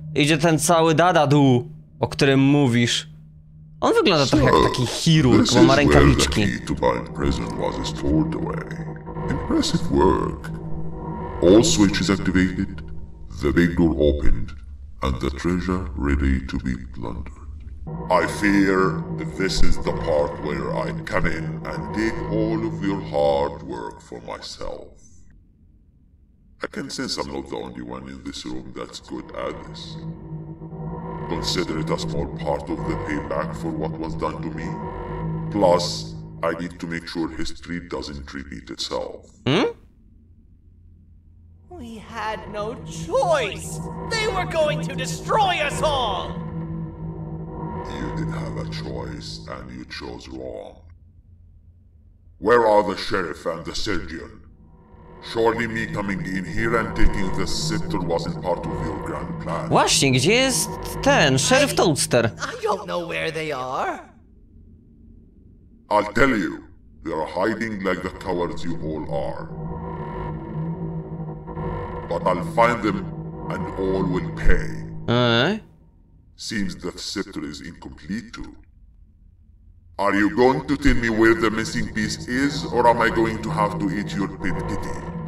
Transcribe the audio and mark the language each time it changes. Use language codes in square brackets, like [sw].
[pl] Idzie ten cały dadadu, o którym mówisz. On wygląda trochę jak taki chirurg, bo ma rękawiczki. [en] To find prison was stored away. Impressive work. All switches activated, the big door opened, and the treasure ready to be plundered. I fear this is the part where I come in and take all of your hard work for myself. I can sense I'm not the only one in this room that's good at this. Consider it a small part of the payback for what was done to me. Plus, I need to make sure history doesn't repeat itself. Hmm? We had no choice! They were going to destroy us all! You didn't have a choice, and you chose wrong. Where are the sheriff and the surgeon? Surely me coming in here and taking the scepter wasn't part of your grand plan. [pl] Właśnie, gdzie jest ten sheriff Toadster? [en] I don't know where they are. I'll tell you, they're hiding like the cowards you all are. But I'll find them, and all will pay. Seems the scepter is incomplete too. Are you going to tell me where the missing piece is, or am I going to have to eat your pit kitty?